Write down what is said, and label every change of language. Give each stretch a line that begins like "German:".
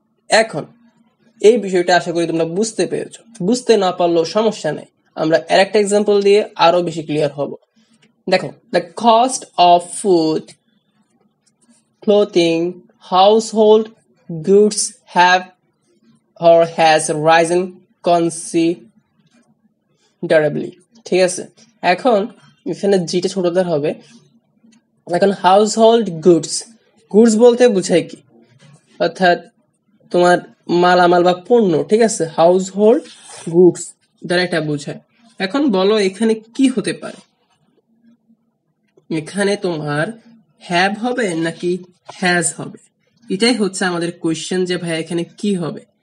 Bangla: এখন এই বিষয়টা আশা করি তোমরা বুঝতে পেরেছ, বুঝতে না পারলেও সমস্যা নেই, আমরা আর একটা এক্সাম্পল দিয়ে আরো বেশি ক্লিয়ার হব।
English: দেখো, the cost of food, clothing, household goods have or has risen considerably.
Bangla: ঠিক আছে, এখন এখানে জিটা ছোট ধর হবে। এখন হাউসহোল্ড গুডস, গুডস বলতে বোঝায় কি, অর্থাৎ তোমার মালামাল বা পণ্য। ঠিক আছে, হাউসহোল্ড গুডস দ্বারা এটা বোঝায়। এখন বলো এখানে কি হতে পারে, এখানে তোমার হ্যাভ হবে নাকি হ্যাজ হবে, এটাই হচ্ছে আমাদের কোয়েশ্চেন যে ভাই এখানে কি হবে।